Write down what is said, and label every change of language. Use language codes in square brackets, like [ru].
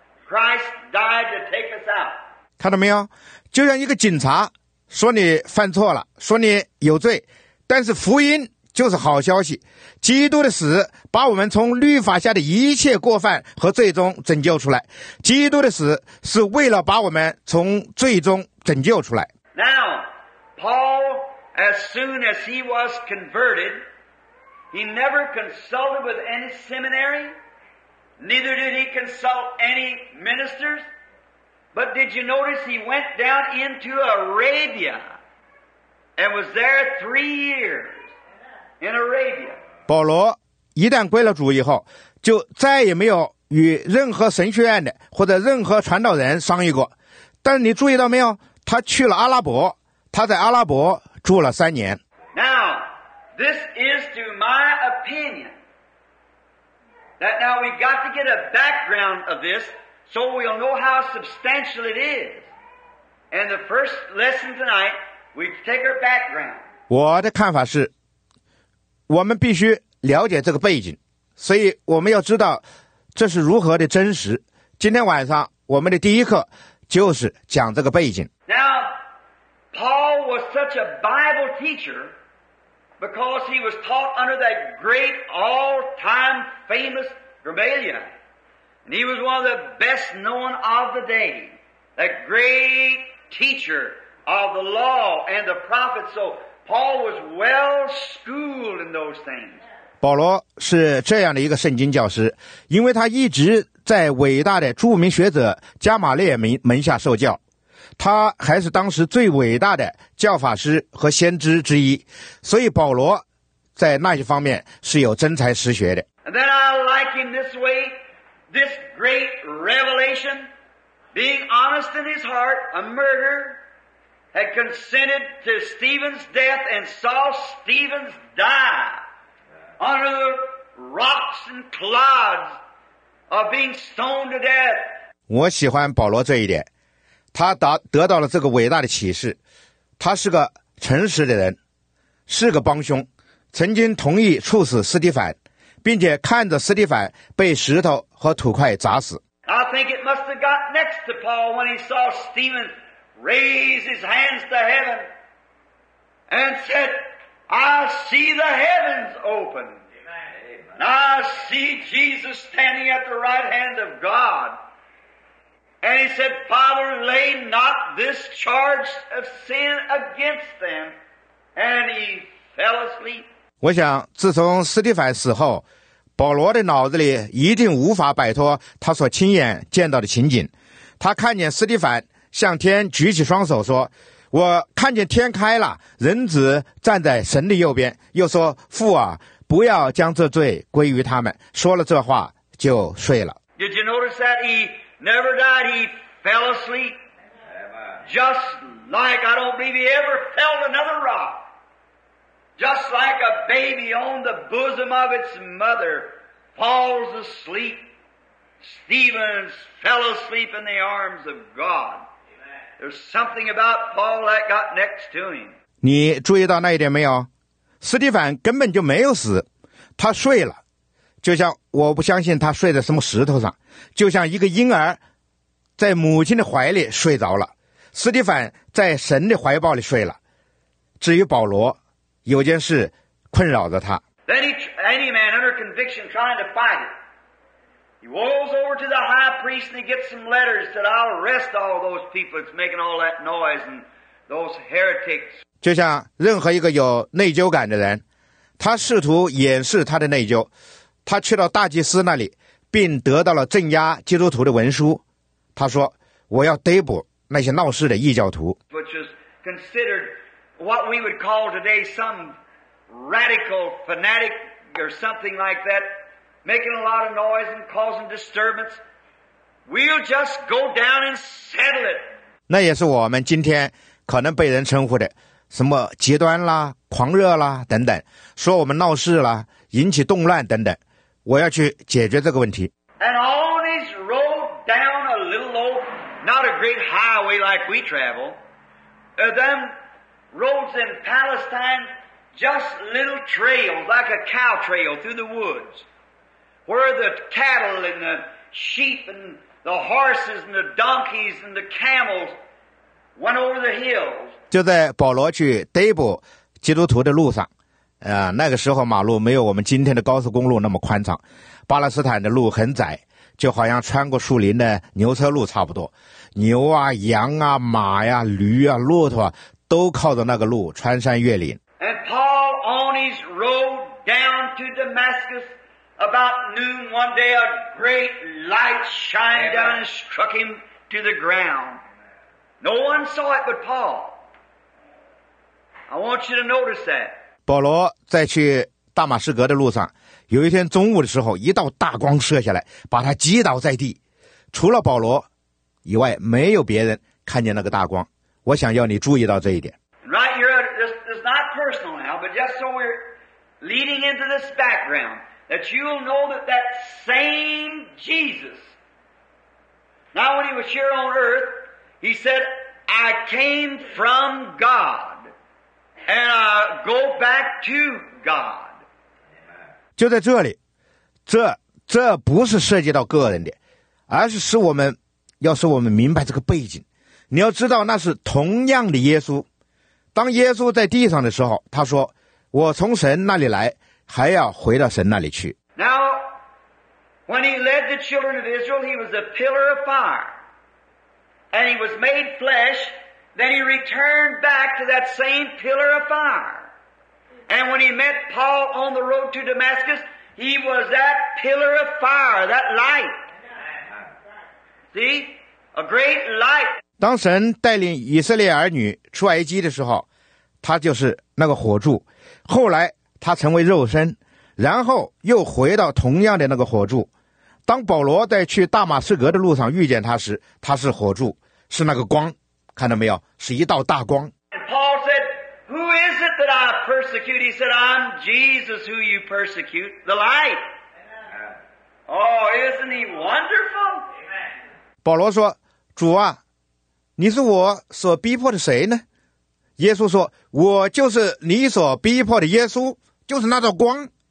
[en] Christ died to take us out. [zh] 看到没有？就像一个警察说你犯错了，说你有罪，但是福音就是好消息，基督的死把我们从律法下的一切过犯和罪中拯救出来。基督的死是为了把我们从罪中拯救出来。 [en] Now, Paul, as soon as he was converted, he never consulted with any seminary, neither did he consult any ministers, but did you notice he went down into Arabia and was there 3 years in Arabia. [zh] 保罗一旦归了主以后，就再也没有与任何神学院的或者任何传道人商议过，但你注意到没有，他去了阿拉伯，他在阿拉伯住了三年。 [en] Now, this is to my opinion that now we've got to get a background of this so we'll know how substantial it is. And the first lesson tonight, we take our background. [zh] 我的看法是，我们必须了解这个背景，所以我们要知道这是如何的真实。今天晚上我们的第一课就是讲这个背景。 [en] Now, Paul was such a Bible teacher because he was taught under that great all-time famous Gamaliel. And he was one of the best known of the day, that great teacher of the law and the prophets. So Paul was well schooled in those things. [zh] 保罗是这样的一个圣经教师，因为他一直在伟大的著名学者加玛列门下受教。他还是当时最伟大的教法师和先知之一，所以保罗在那些方面是有真才实学的。 [en] And then I like him this way, this great revelation, being honest in his heart, a murderer had consented to Stephen's death and saw Stephen's die under the rocks and clods of being stoned to death. [zh] 我喜欢保罗这一点，他得到了这个伟大的启示，他是个诚实的人，是个帮凶，曾经同意处死斯蒂凡，并且看着斯蒂凡被石头和土块砸死。 [en] I think it must have got next to Paul when he saw Stephen raise his hands to heaven and said, I see the heavens open. Amen. And I see Jesus standing at the right hand of God. And he said, Father, lay not this charge of sin against them. And he fell asleep. [zh] 我想自从斯蒂凡死后，保罗的脑子里一定无法摆脱他所亲眼见到的情景。他看见斯蒂凡向天举起双手说，我看见天开了，人子站在神的右边，又说，父啊，不要将这罪归于他们。说了这话就睡了。 [en] Did you notice that he never died? He fell asleep. Just like, I don't believe he ever felt another rock. Just like a baby on the bosom of its mother falls asleep, Stephen fell asleep in the arms of God. There's something about Paul that got next to him. [zh] 你注意到那一点没有？斯蒂凡根本就没有死，他睡了，就像我不相信他睡在什么石头上，就像一个婴儿在母亲的怀里睡着了。斯蒂凡在神的怀抱里睡了。至于保罗，有件事困扰着他。 [en] Then any man under conviction trying to fight it. He walks over to the high priest and he gets some letters that I'll arrest all those people that's making all that noise and those heretics. [zh] 就像任何一个有内疚感的人，他试图掩饰他的内疚，他去到大祭司那里，并得到了镇压基督徒的文书。他说：“我要逮捕那些闹事的异教徒。” [en] Which is considered what we would call today some radical fanatic or something like that. Making a lot of noise and causing disturbance, we'll just go down and settle it. [zh] 那也是我们今天可能被人称呼的什么极端啦、狂热啦等等，说我们闹事啦、引起动乱等等。我要去解决这个问题。 [en] And on his road down a little old, not a great highway like we travel, them roads in Palestine, just little trails like a cow trail through the woods. Where the cattle and the sheep and the horses and the donkeys and the camels went over the hills. [zh] 就在保罗去逮捕基督徒的路上，那个时候马路没有我们今天的高速公路那么宽敞，巴勒斯坦的路很窄，就好像穿过树林的牛车路差不多。牛啊、羊啊、马呀、驴啊、骆驼啊，都靠着那个路穿山越岭。 [en] And Paul on his road down to Damascus. About noon one day, a great light shined down and struck him to the ground. No one saw it but Paul. I want you to notice that. [zh] 保罗在去大马士革的路上，有一天中午的时候，一道大光射下来，把他击倒在地。除了保罗以外，没有别人看见那个大光。我想要你注意到这一点。 [en] Right here, this is not personal now, but just so we're leading into this background. That you'll know that that same Jesus, now when he was here on earth, he said, I came from God, and I go back to God. [zh] 就在这里，这不是涉及到个人的，而是使我们，要使我们明白这个背景。你要知道，那是同样的耶稣。当耶稣在地上的时候，他说，我从神那里来。还要回到神那里去。 [en] Now, when he led the children of Israel, he was a pillar of fire, and he was made flesh. Then he returned back to that same pillar of fire. And when he met Paul on the road to Damascus, he was that pillar of fire, that light. See, a great light. [zh] 当神带领以色列儿女出埃及的时候，他就是那个火柱。后来。他成为肉身，然后又回到同样的那个火柱。当保罗在去大马士革的路上遇见他时，他是火柱，是那个光，看到没有？是一道大光。 [en] And Paul said, "Who is it that I persecute?" He said, "I'm Jesus, who you persecute, the light." Oh, isn't he wonderful? Amen. [zh] 保罗说：“主啊，你是我所逼迫的谁呢？” 耶稣说：“我就是你所逼迫的耶稣，就是那道光。”